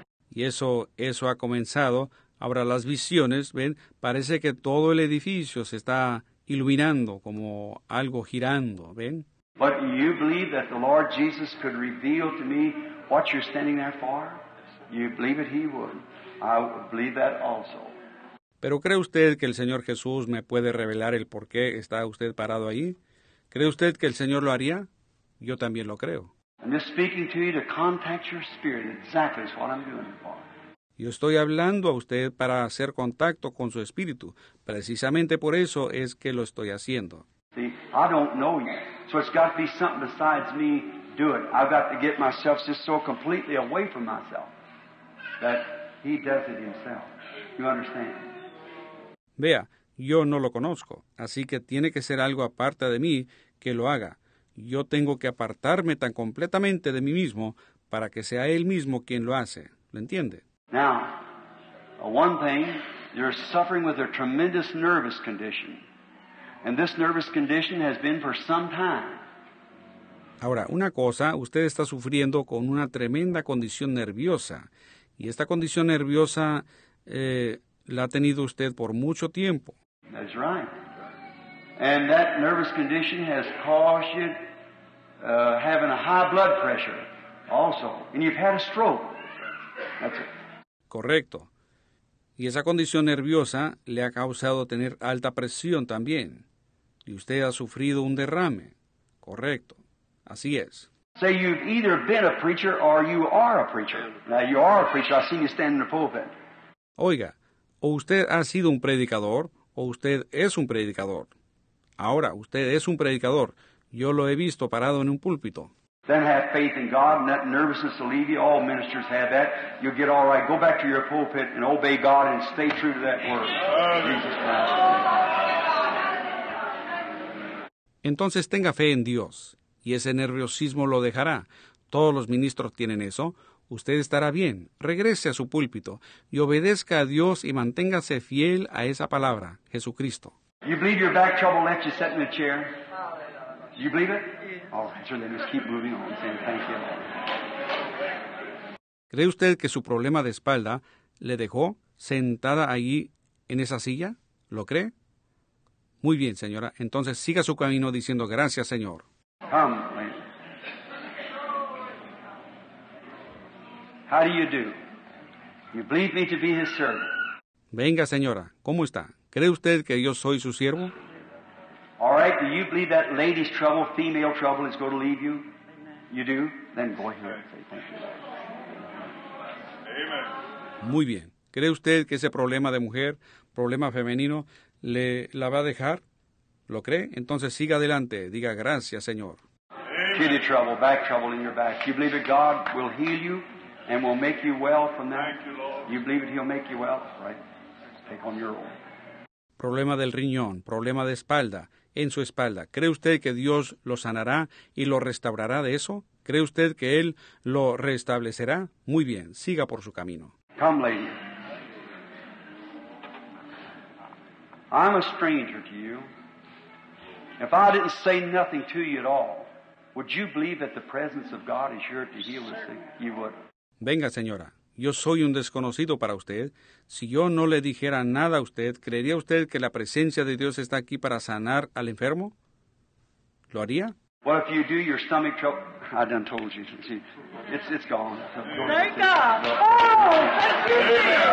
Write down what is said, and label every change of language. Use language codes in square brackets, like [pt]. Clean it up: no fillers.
[es] Y eso ha comenzado. Ahora las visiones, ven, parece que todo el edificio se está iluminando como algo girando, ven. [en] But you believe that the Lord Jesus could reveal to me what you're standing there for? You believe it, he would. I believe that also. [es] ¿Pero cree usted que el Señor Jesús me puede revelar el por qué está usted parado ahí? ¿Cree usted que el Señor lo haría? Yo también lo creo. [en] I'm just speaking to you to contact your spirit. Exactly is what I'm doing for. [es] Yo estoy hablando a usted para hacer contacto con su espíritu. Precisamente por eso es que lo estoy haciendo. [en] See, I don't know you. So it's got to be something besides me doing. I've got to get myself just so completely away from myself that he does it himself. You understand? [es] Vea, yo no lo conozco, así que tiene que ser algo aparte de mí que lo haga. Yo tengo que apartarme tan completamente de mí mismo para que sea él mismo quien lo hace. ¿Lo entiende? [en] Now, one thing, you're suffering with a tremendous nervous condition. And this nervous condition has been for some time. [es] Ahora, una cosa, usted está sufriendo con una tremenda condición nerviosa. Y esta condición nerviosa la ha tenido usted por mucho tiempo. [en] That's right. And that nervous condition has caused you having a high blood pressure also. And you've had a stroke. That's it. [es] Correcto. Y esa condición nerviosa le ha causado tener alta presión también. Y usted ha sufrido un derrame. Correcto. Así es. [en] So you've either been a preacher or you are a preacher. Now you are a preacher. I've seen you stand in the pulpit. [es] Oiga, o usted ha sido un predicador o usted es un predicador. Ahora, usted es un predicador. Yo lo he visto parado en un púlpito. [en] Then have faith in God and that nervousness will leave you. All ministers have that. You'll get all right. Go back to your pulpit and obey God and stay true to that word. Jesus Christ. [es] Entonces tenga fe en Dios, y ese nerviosismo lo dejará. Todos los ministros tienen eso. Usted estará bien. Regrese a su púlpito y obedezca a Dios y manténgase fiel a esa palabra, Jesucristo. [en] You believe your back trouble left you sitting in a chair? You believe it? All right, so then just keep moving on. Saying thank you. [es] ¿Cree usted que su problema de espalda le dejó sentada allí en esa silla? ¿Lo cree? Muy bien, señora. Entonces siga su camino diciendo gracias, Señor. [en] Come. How do you do? You believe me to be his servant? [es] Venga, señora. ¿Cómo está? ¿Cree usted que yo soy su siervo? [en] All right. Do you believe that lady's trouble, female trouble, is going to leave you? You do? Then go ahead and say thank you. Amen. [es] Muy bien. ¿Cree usted que ese problema de mujer, problema femenino, le la va a dejar? ¿Lo cree? Entonces siga adelante, diga gracias, Señor. [en] Kidney trouble, back trouble in your back. You believe that God will heal you and will make you well from that? Thank you, Lord. You believe that he'll make you well, right? Take on your own. [es] Problema del riñón, problema de espalda, en su espalda. ¿Cree usted que Dios lo sanará y lo restaurará de eso? ¿Cree usted que él lo restablecerá? Muy bien, siga por su camino. [en] Come, lady. I'm a stranger to you. If I didn't say nothing to you at all, would you believe that the presence of God is here to heal us? You would. [es] Venga, señora. Yo soy un desconocido para usted. Si yo no le dijera nada a usted, ¿creería usted que la presencia de Dios está aquí para sanar al enfermo? ¿Lo haría? [en] Well, if you do, your stomach trouble... I done told you. See, it's gone. Thank God. Oh, thank you.